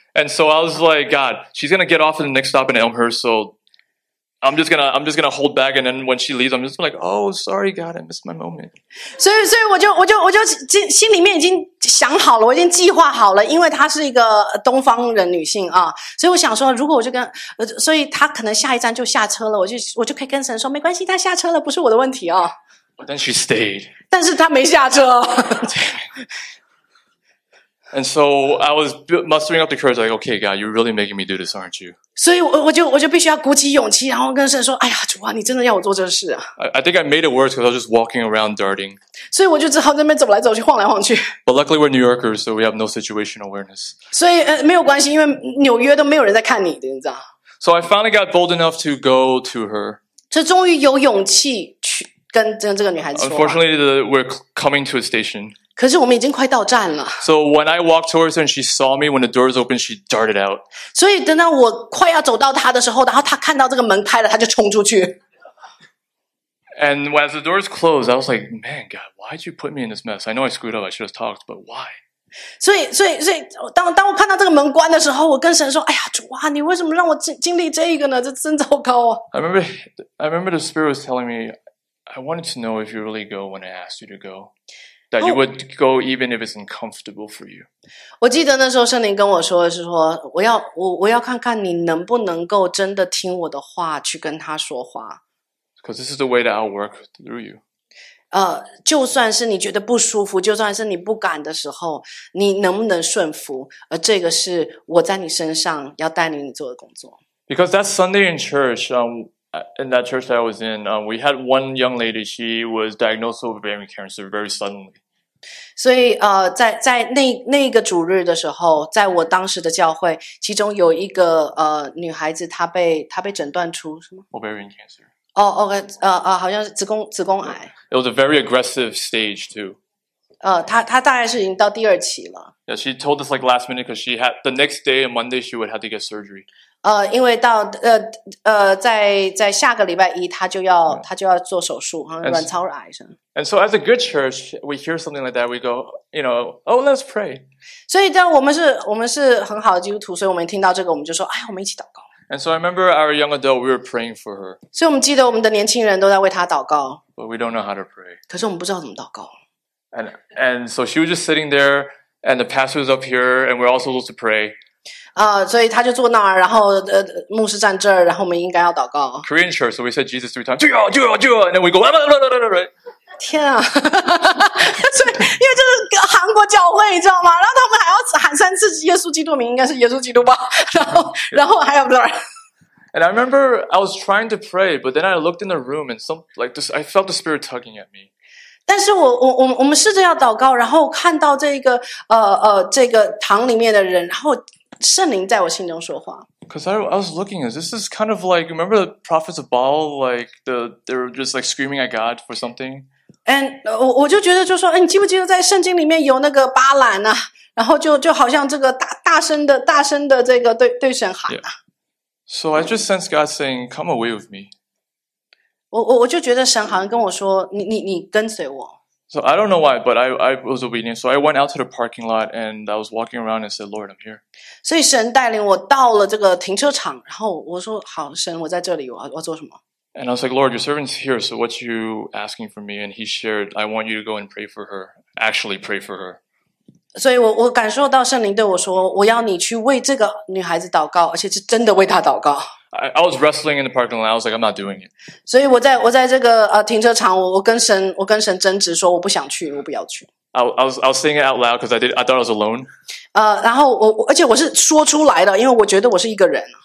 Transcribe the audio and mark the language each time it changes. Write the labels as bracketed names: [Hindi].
[English] And so I was like, God, she's going to get off at the next stop in Elmhurst, so I'm just going to hold back. And then when she leaves, I'm just like, oh, sorry, God, I missed my moment. [Chinese] 所以我就心里面已经想好了，我已经计划好了，因为她是一个东方人女性啊，所以我想说，如果我就跟，所以她可能下一站就下车了，我就可以跟神说，没关系，她下车了，不是我的问题啊。 [English] But then she stayed. [Chinese] 但是她没下车。 [English] And so I was mustering up the courage, like, okay, God, you're really making me do this, aren't you? [Chinese] 所以我就必须要鼓起勇气，然后跟神说，哎呀，主啊，你真的要我做这事啊。 [English] I think I made it worse because I was just walking around darting. [Chinese] 所以我就只好在那边走来走去，晃来晃去。 [English] But luckily we're New Yorkers, so we have no situation awareness. [Chinese] 所以没有关系，因为纽约都没有人在看你的，你知道。 [English] So I finally got bold enough to go to her. [Chinese] 这终于有勇气去跟这个女孩子说话。 [English] Unfortunately, we're coming to a station. [Chinese] 可是我们已经快到站了。 [English] So when I walked towards her and she saw me, when the doors opened, she darted out. [Chinese] 所以等到我快要走到她的时候，然后她看到这个门开了，她就冲出去。 [English] And as the doors closed, I was like, man, God, why did you put me in this mess? I know I screwed up, I should have talked, but why? [Chinese] 所以当我看到这个门关的时候，我跟神说：“哎呀，主啊，你为什么让我经历这个呢？这真糟糕啊！” [English] I remember the Spirit was telling me, I wanted to know if you really go when I asked you to go, that you would go even if it's uncomfortable for you. [Chinese] 我记得那时候圣灵跟我说的是说，我要看看你能不能够真的听我的话去跟他说话。 [English] Because this is the way that I'll work through you. [Chinese] 就算是你觉得不舒服，就算是你不敢的时候，你能不能顺服？而这个是我在你身上要带领你做的工作。 [English] Because that Sunday in church, in that church that I was in, we had one young lady. She was diagnosed with ovarian cancer very suddenly. [Chinese] 所以在那个主日的时候，在我当时的教会，其中有一个女孩子，她被诊断出什么 [English] ovarian cancer。 Oh, okay. [Chinese] 好像是子宫癌。 [English] It was a very aggressive stage too. [Chinese] 她大概是已经到第二期了。 [English] Yeah, she told us like last minute because she had the next day on Monday she would have to get surgery. [Chinese] 因为到在下个礼拜一她就要做手术，好像卵巢癌是。 [English] And so as a good church, we hear something like that, we go, you know, oh, let's pray. [Chinese] 所以当我们是很好的基督徒，所以我们听到这个，我们就说，哎，我们一起祷告。 [English] And so I remember our young adult, we were praying for her. [Chinese] 所以我们记得我们的年轻人都在为她祷告。 [English] But we don't know how to pray. [Chinese] 可是我们不知道怎么祷告。 [English] And so she was just sitting there, and the pastor was up here, and we're all supposed to pray. [Chinese] 所以她就坐那儿，然后牧师站这儿，然后我们应该要祷告。 [English] Korean church, so we said Jesus three times, [Chinese] 就要 [English] and then we go, blah, blah, blah, blah, blah. [Chinese] 天啊！所以因为这是韩国教会，你知道吗？然后他们还要喊三次耶稣基督名，应该是耶稣基督吧？然后还有不是 [English] ？And I remember I was trying to pray, but then I looked in the room and some like this, I felt the Spirit tugging at me. [Chinese] 但是我们试着要祷告，然后看到这个堂里面的人，然后圣灵在我心中说话。 [English] Because I was looking at this is kind of like remember the prophets of Baal like they were just like screaming at God for something. [Chinese] And 我就觉得就说，哎，你记不记得在圣经里面有那个巴兰啊？然后就好像这个大声的这个对神喊啊。 [English] Yeah. So I just sense God saying, "Come away with me." [Chinese] 我就觉得神好像跟我说，你跟随我。 [English] So I don't know why, but I was obedient. So I went out to the parking lot and I was walking around and said, "Lord, I'm here." [Chinese] 所以神带领我到了这个停车场，然后我说，好，神，我在这里，我做什么？ [English] And I was like, Lord, your servant's here, so what are you asking from me? And he shared, I want you to go and pray for her. Actually pray for her. [Chinese] 所以我感受到圣灵对我说，我要你去为这个女孩子祷告，而且是真的为她祷告。 [English] I was wrestling in the parking lot. I was like, I'm not doing it. [Chinese] 所以我在这个停车场，我跟神争执说，我不想去，我不要去。 [English] I was saying it out loud because I thought I was alone. [Chinese] 然后而且我是说出来的，因为我觉得我是一个人。